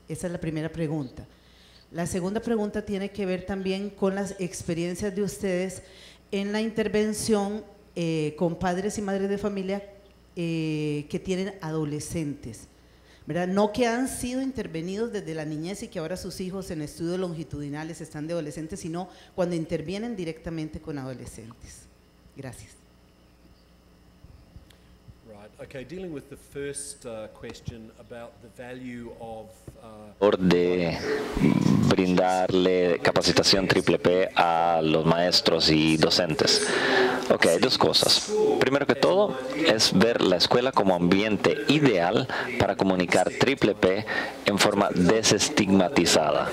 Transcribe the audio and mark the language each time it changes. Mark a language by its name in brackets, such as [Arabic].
[Spanish] Esa es la primera pregunta. La segunda pregunta tiene que ver también con las experiencias de ustedes en la intervención con padres y madres de familia que tienen adolescentes, ¿verdad? No que han sido intervenidos desde la niñez y que ahora sus hijos en estudios longitudinales están de adolescentes, sino cuando intervienen directamente con adolescentes. Gracias. [English] Okay, dealing with the first question about the value of [Spanish] de brindarle capacitación triple P a los maestros y docentes. Okay, hay dos cosas. Primero que todo es ver la escuela como ambiente ideal para comunicar triple P en forma desestigmatizada.